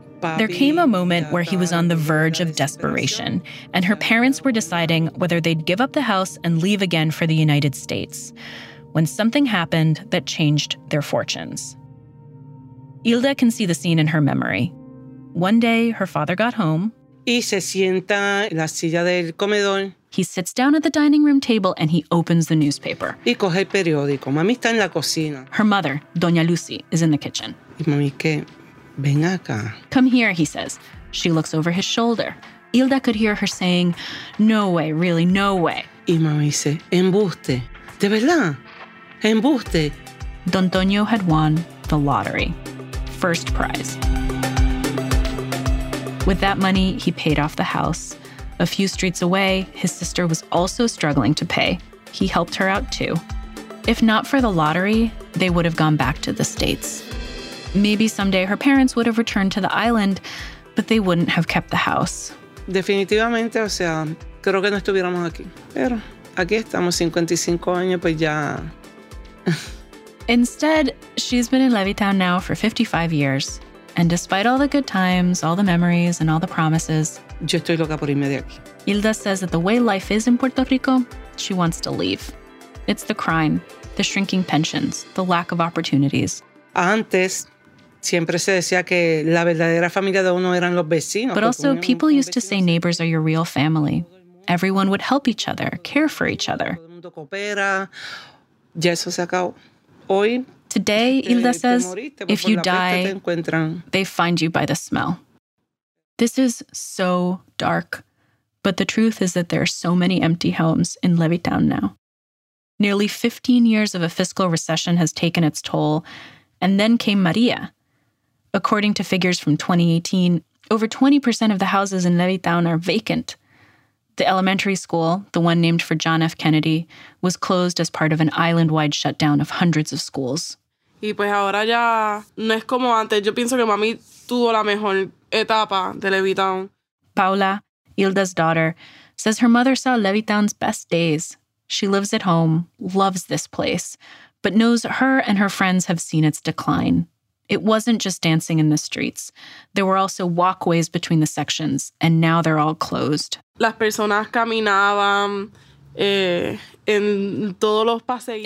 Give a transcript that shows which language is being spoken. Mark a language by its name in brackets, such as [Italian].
[English] there came a moment where he was on the verge of desperation, and her parents were deciding whether they'd give up the house and leave again for the United States, when something happened that changed their fortunes. Hilda can see the scene in her memory. One day, her father got home. [Spanish] Y se sienta en la silla del comedor. [English] He sits down at the dining room table and he opens the newspaper. [Spanish] Y coge el periódico. Mami está en la cocina. [English] Her mother, Doña Lucy, is in the kitchen. [Spanish] Y mami, que ven acá. [English] Come here, he says. She looks over his shoulder. Hilda could hear her saying, no way, really, no way. [Spanish] Y mami dice, embuste. De verdad, embuste. [English] Don Antonio had won the lottery. First prize. With that money, he paid off the house. A few streets away, his sister was also struggling to pay. He helped her out too. If not for the lottery, they would have gone back to the States. Maybe someday her parents would have returned to the island, but they wouldn't have kept the house. [Spanish] Definitivamente, o sea, creo que no estuviéramos aquí. Pero aquí estamos 55 años, pues ya. [English] Instead, she's been in Levittown now for 55 years. And despite all the good times, all the memories, and all the promises, [Spanish] yo estoy loca por irme de aquí. [English] Hilda says that the way life is in Puerto Rico, she wants to leave. It's the crime, the shrinking pensions, the lack of opportunities. [Spanish] Antes, siempre se decía que la verdadera familia de uno eran los vecinos. [English] But also, people used to say neighbors are your real family. Everyone would help each other, care for each other. [Spanish] Ya eso se acabó. [English] Today, Hilda says, if you die, they find you by the smell. This is so dark, but the truth is that there are so many empty homes in Levittown now. Nearly 15 years of a fiscal recession has taken its toll, and then came Maria. According to figures from 2018, over 20% of the houses in Levittown are vacant. The elementary school, the one named for John F. Kennedy, was closed as part of an island-wide shutdown of hundreds of schools. [Spanish] Y pues ahora ya no es como antes. Yo pienso que mami tuvo la mejor etapa de Levittown. [English] Paula, Hilda's daughter, says her mother saw Levittown's best days. She lives at home, loves this place, but knows her and her friends have seen its decline. It wasn't just dancing in the streets. There were also walkways between the sections, and now they're all closed. [Spanish] Las personas caminaban en todos los paseitos.